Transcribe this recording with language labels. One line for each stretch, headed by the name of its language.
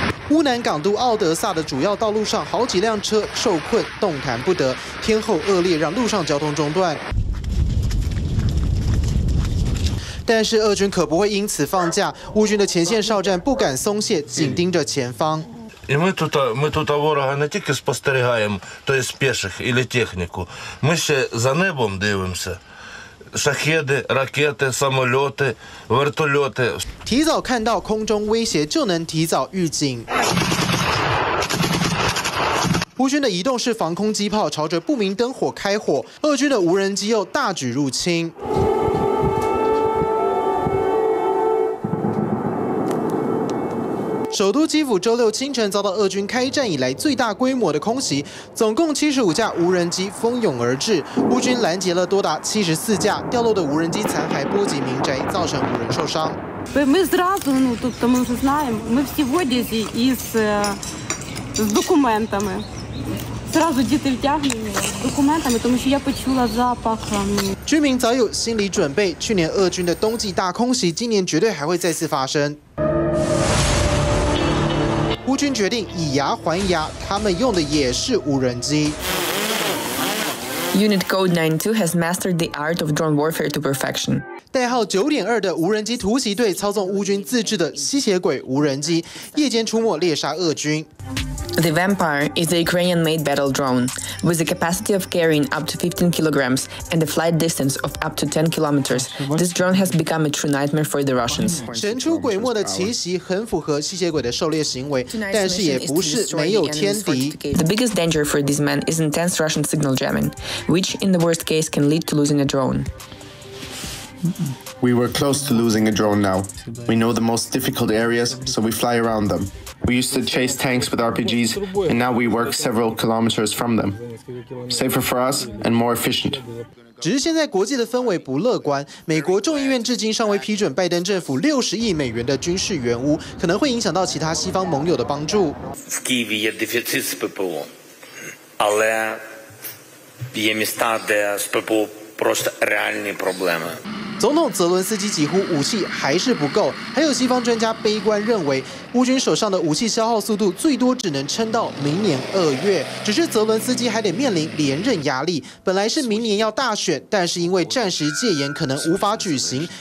Chinese: 乌南港都奥德萨的主要道路上，好几辆车受困，动弹不得。天候恶劣，让路上交通中断。但是俄军可不会因此放假，乌军的前线哨站不敢松懈，紧盯着前方。
Russian: Мы
Ukrainian: тут ворога не тільки спостерігаємо, то є спеших
Russian: или
Ukrainian: техніку. Ми ще за небом дивимося. Шахеди, ракети, самоліти, вертольоти.
Chinese: 提早看到空中威胁，就能提早预警。乌军的移动式防空机炮朝着不明灯火开火，俄军的无人机又大举入侵。首都基辅周六清晨遭到俄军开战以来最大规模的空袭，总共75架无人机蜂拥而至，乌军拦截了多达74架，掉落的无人机残骸波及民宅，造成5人受伤。
Russian: Мы
Ukrainian: зразу, ну тут ми вже знаємо, ми всі в одязі із документами. Зразу діти втягнули документами, тому що я почула запах.
Chinese: 居民早有心理准备，去年俄军的冬季大空袭，今年绝对还会再次发生。乌军决定以牙还牙，他们用的也是无人机。
English: Unit Code 92 has mastered the art of drone warfare to perfection.
Chinese: 代号9.2的无人机突袭队操纵乌军自制的吸血鬼无人机，夜间出没猎杀俄军。
English: The Vampire is a Ukrainian-made battle drone with the capacity of carrying up to 15 kilograms and a flight distance of up to 10 kilometers. This drone has become a true nightmare for the Russians.
Chinese: 神出鬼没的奇袭很符合吸血鬼的狩猎行为，但是也不是没有天敌。
English: The biggest danger for these men is intense Russian signal jamming, which in the worst case can lead to losing a drone. We were close to losing a drone now. We know the most difficult areas, so we fly around them. We used to chase tanks with RPGs, and now we work several kilometers from them. Safer for us and more efficient.
Chinese: 只是现在国际的氛围不乐观，美国众议院至今尚未批准拜登政府$60亿的军事援乌，可能会影响到其他西方盟友的帮助。
Ukrainian: В Києві є дефіцит з ППО, але є міста, де з ППО просто реальні проблеми.
Chinese: 总统泽伦斯基几乎武器还是不够，还有西方专家悲观认为，乌军手上的武器消耗速度最多只能撑到明年二月。只是泽伦斯基还得面临连任压力，本来是明年要大选，但是因为暂时戒严可能无法举行。